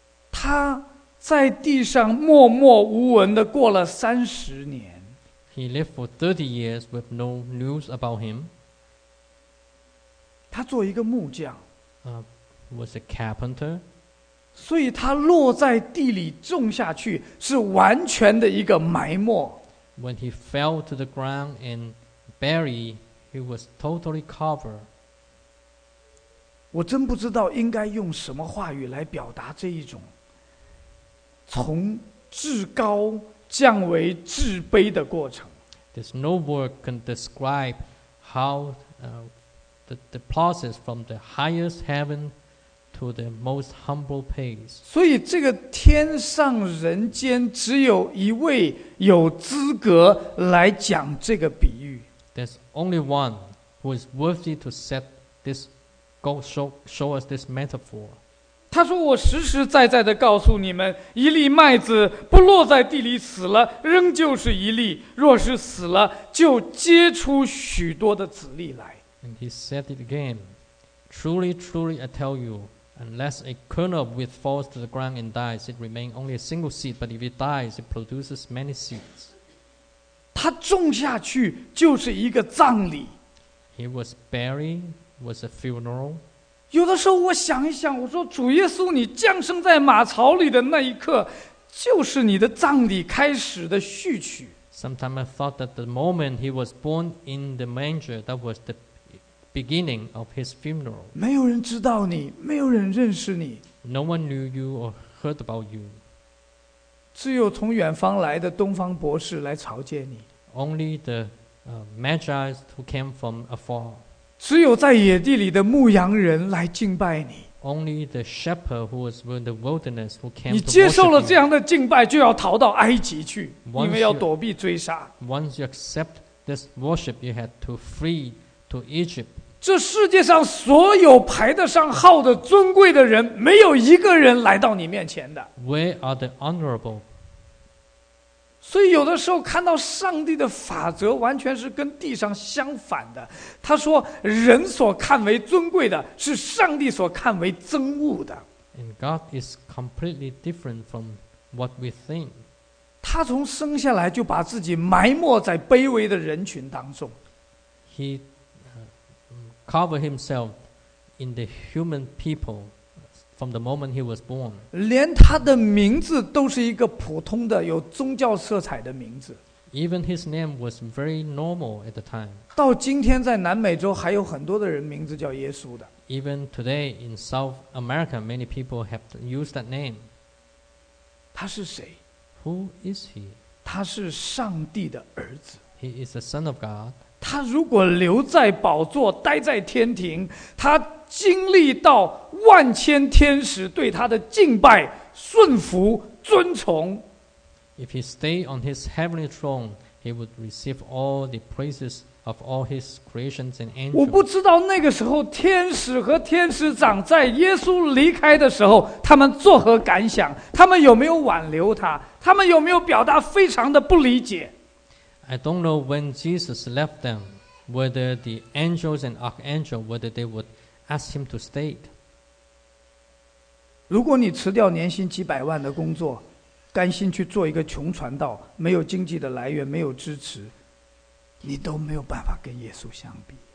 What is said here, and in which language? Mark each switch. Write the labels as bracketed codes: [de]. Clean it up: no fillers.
[zh] 他在地上默默无闻的过了三十年。 [en] He lived for 30 years with no news about him. [zh] 他做一个木匠。 [en] Was a carpenter. [zh] 所以他落在地里种下去是完全的一个埋没。 [en] When he fell to the ground and buried, he was totally covered. [zh] 我真不知道应该用什么话语来表达这一种。从至高降为至卑的过程。 [en] There's no word can describe how the process from the highest heaven to the most humble place. [zh] 所以这个天上人间只有一位有资格来讲这个比喻。 [en] There's only one who is worthy to set this go show us this metaphor. [zh] 他说我实实在在地告诉你们，一粒麦子不落在地里死了，仍旧是一粒，若是死了，就结出许多的子粒来。 [en] And he said it again, truly, truly, I tell you, unless a kernel of wheat falls to the ground and dies, it remains only a single seed, but if it dies, it produces many seeds. [zh] 他种下去就是一个葬礼。 [en] He was buried, was a funeral. [zh] 有的时候我想一想，我说主耶稣，你降生在马槽里的那一刻，就是你的葬礼开始的序曲。 [en] Sometimes I thought that the moment he was born in the manger, that was the beginning of his funeral. [zh] 没有人知道你，没有人认识你。 [en] No one knew you or heard about you. [zh] 只有从远方来的东方博士来朝见你。 [en] Only the magi who came from afar. [zh] 只有在野地里的牧羊人来敬拜你。 [en] Only the shepherd who was in the wilderness who came. [zh] 你接受了这样的敬拜，就要逃到埃及去，因为要躲避追杀。 [en] Once you accept this worship, you had to flee to Egypt. [zh] 这世界上所有排得上号的尊贵的人，没有一个人来到你面前的。 [en] Where are the honorable? [zh] 所以有的时候看到上帝的法则完全是跟地上相反的。他说人所看为尊贵的是上帝所看为憎恶的。 [en] And God is completely different from what we think. [zh] 他从生下来就把自己埋没在卑微的人群当中。 [en] He covered himself in the human people from the moment he was born. [zh] 连他的名字都是一个普通的有宗教色彩的名字。 [en] Even his name was very normal at the time. [zh] 到今天在南美洲还有很多的人名字叫耶稣的。 [en] Even today in South America, many people have to use that name. [zh] 他是谁？ [en] Who is he? [zh] 他是上帝的儿子。 [en] He is the son of God. [zh] 他如果留在宝座，待在天庭，他经历到万千天使对他的敬拜、顺服、遵从。 [en] If he stayed on his heavenly throne, he would receive all the praises of all his creations and angels. [zh] 我不知道那个时候天使和天使长在耶稣离开的时候他们作何感想，他们有没有挽留他，他们有没有表达非常的不理解。 [en] I don't know when Jesus left them, whether the angels and archangels, whether they would ask him to stay. [zh] 如果你辞掉年薪几百万的工作，甘心去做一个穷传道，没有经济的来源，没有支持，你都没有办法跟耶稣相比。